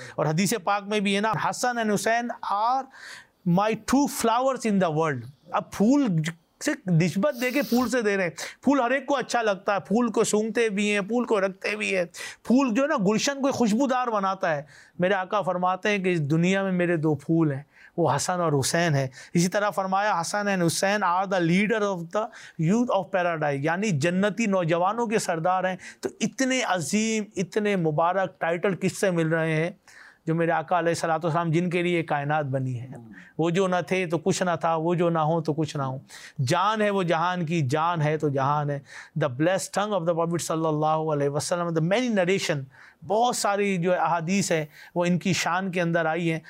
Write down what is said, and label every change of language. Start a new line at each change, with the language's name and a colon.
Urdu: اور حدیث پاک میں بھی ہے نا
English: Hasan and Hussain are my two flowers in the world.
Urdu: اب پھول سے نسبت دے کے پھول سے دے رہے ہیں. پھول ہر ایک کو اچھا لگتا ہے, پھول کو سونگتے بھی ہیں, پھول کو رکھتے بھی ہیں, پھول جو ہے نا گلشن کو خوشبودار بناتا ہے. میرے آقا فرماتے ہیں کہ اس دنیا میں میرے دو پھول ہیں, وہ حسن اور حسین ہیں. اسی طرح فرمایا
English: Hasan and Hussain are the leader of the youth of paradise,
Urdu: یعنی جنتی نوجوانوں کے سردار ہیں. تو اتنے عظیم اتنے مبارک ٹائٹل کس سے مل رہے ہیں جو میرے آقا علیہ الصلوۃ والسلام جن کے لیے کائنات بنی ہے. وہ جو نہ تھے تو کچھ نہ تھا, وہ جو نہ ہوں تو کچھ نہ ہوں. جان ہے وہ جہان کی, جان ہے تو جہان ہے.
English: the blessed tongue of the prophet
Urdu: صلی اللہ علیہ وسلم,
English: the many narration,
Urdu: بہت ساری جو احادیث ہیں وہ ان کی شان کے اندر آئی ہیں.